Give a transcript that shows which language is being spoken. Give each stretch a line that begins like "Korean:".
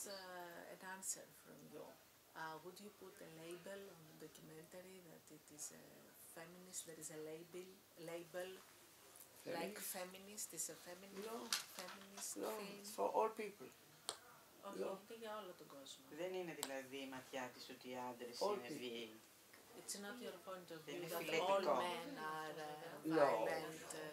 English: She wants an answer from you. Would you put a label on the documentary that it is a feminist, there is a label feminist? Like feminist, is a feminist? No. Feminist no, film? It's for all people.
Greek: Όχι, για όλο τον κόσμο. Δεν είναι δηλαδή η ματιά της ότι οι άντρες είναι βίαιοι.
English: It's not your point of view that all men are violent.